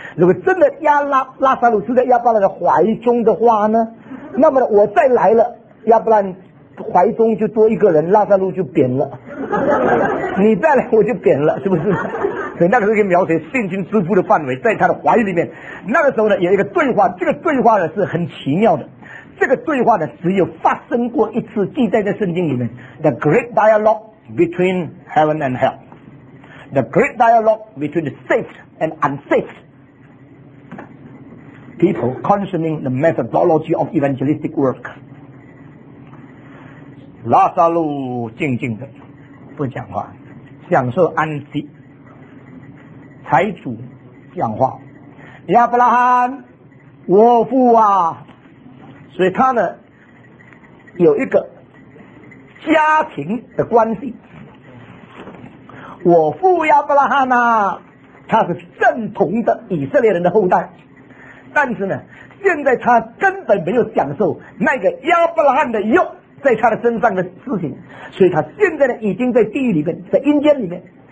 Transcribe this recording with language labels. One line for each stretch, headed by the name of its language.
Chinese: 如果真的拉萨路是在亚伯拉罕的怀中的话呢，那么我再来了，亚伯拉罕怀中就多一个人，拉萨路就扁了，你再来我就扁了，是不是？所以那个时候描写信心支付的范围在他的怀里面。那个时候呢有一个对话，这个对话呢是很奇妙的，这个对话呢只有发生过一次，记载在圣经里面。
English: The great dialogue between heaven and hell, The great dialogue between the saved and unsaved people concerning the methodology of evangelistic work。
Chinese: 拉萨路静静的不讲话，享受安息。财主讲话，亚伯拉罕，我父啊。所以他呢有一个家庭的关系，我父亚伯拉罕啊，他是正统的以色列人的后代，但是呢现在他根本没有享受那个亚伯拉罕的肉在他的身上的事情，所以他现在呢已经在地狱里面，在阴间里面。